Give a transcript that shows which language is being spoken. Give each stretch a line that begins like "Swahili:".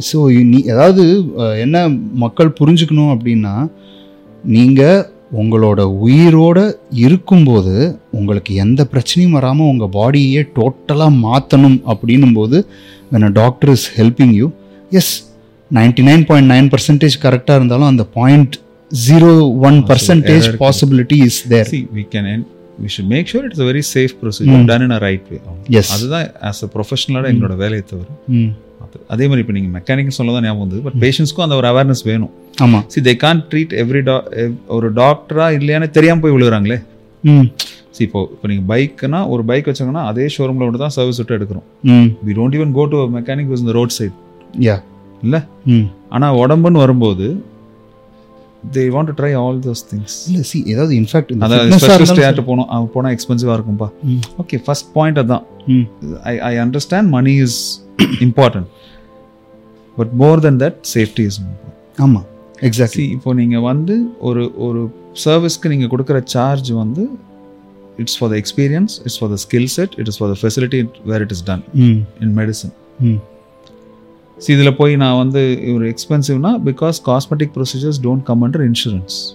Tamil: So நீ ஏதாவது என்ன மக்கள் புரிஞ்சுக்கணும் அப்படின்னா, நீங்கள் உங்களோட உயிரோடு இருக்கும்போது உங்களுக்கு எந்த பிரச்சனையும் வராமல் உங்கள் பாடியே டோட்டலாக மாற்றணும் அப்படின்னும்போது
English: when a doctor is helping you,
Tamil: S 99.9% கரெக்டாக இருந்தாலும் அந்த 0.01%
English: possibility is there. See, we should make sure it's a very safe procedure done in a right way. Yes.
Tamil: அதுதான்
English: as a professional
Tamil: எங்களோட வேலையை தவிர. அதே மாதிரி இப்போ நீங்க மெக்கானிக் சொல்லதான் ஞாபகம் வந்தது, பட் பேஷன்ஸ்க்கும் அந்த ஒரு அவேர்னஸ் வேணும். ஆமா.
English: See, they can't treat every
Tamil: ஒரு டாக்டரா இல்லையானே தெரியாமல் போய் விழுகிறாங்களே. சி இப்போ நீங்கள் பைக்னா ஒரு பைக் வச்சாங்கன்னா அதே ஷோரூம்ல விட்டு தான் சர்வீஸ் விட்டு எடுக்கிறோம்.
English: We don't even go to a mechanic who's in the roadside. Yeah.
Tamil: இல்லை? ஆனால் உடம்புன்னு வரும்போது
English: they want to try all those things. இல்ல see ஏதாவது in fact
Tamil: இந்த ஸ்பெஷலிஸ்ட் யார்ட்ட போறோம் அவ போனா எக்ஸ்பென்சிவா இருக்கும்பா.
English: Okay, first point அதான். I understand money is important but more than that safety is important.
Tamil: ஆமா எக்ஸாக்ட்லி. இப்போ நீங்க வந்து ஒரு ஒரு சர்வீஸ்க்கு நீங்க கொடுக்கிற சார்ஜ் வந்து
English: It's for the experience, it's for the skill set, it is for the facility where it is done in medicine.
Tamil: So இதில் போய் நான் வந்து இவர் எக்ஸ்பென்சிவ்னா
English: Because cosmetic procedures don't come under insurance.